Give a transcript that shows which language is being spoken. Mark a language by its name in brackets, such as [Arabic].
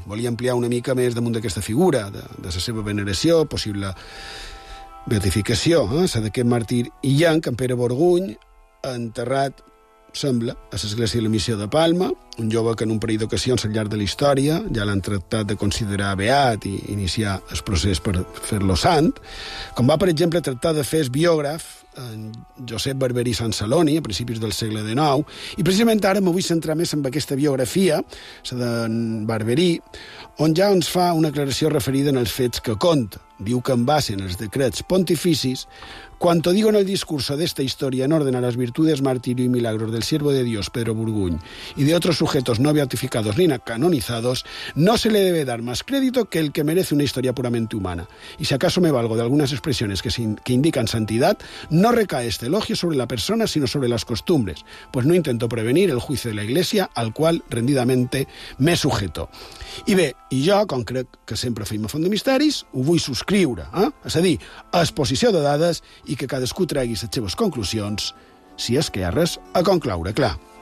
[Catalan] Volia ampliar una mica més damunt d'aquesta figura, de la seva veneració, possible beatificació, la d'aquest màrtir illenc, en Pere Borgull, enterrat, sembla, a l'església de la Missió de Palma, un jove que en un parell d'ocasions al llarg de la història ja l'han tractat de considerar beat i iniciar el procés per fer-lo sant, com va, per exemple, tractar de fer el biògraf en Josep Barberí Sansaloni a principis del segle XIX, i precisament ara m'ho vull centrar més en aquesta biografia, la de Barberí, on ja ens fa una aclaració referida en els fets que conta. Diu que en base en els decrets pontificis, [Spanish] quan te digo en el discurso de esta historia en orden a las virtudes, martirio y milagros del siervo de Dios, Pedro Borgull, y de otros sujetos no beatificados ni canonizados, no se le debe dar más crédito que el que merece una historia puramente humana. Y si acaso me valgo de algunas expresiones que indican santidad, no recae este elogio sobre la persona, sino sobre las costumbres, pues no intento prevenir el juicio de la Iglesia, al cual rendidamente me sujeto. [Catalan] I bé, i jo, com crec que sempre feim a Font de Misteris, ho vull subscriure, eh? És a dir, exposició de dades i que cadascú tregui les seves conclusions, si és que hi ha res a concloure, clar.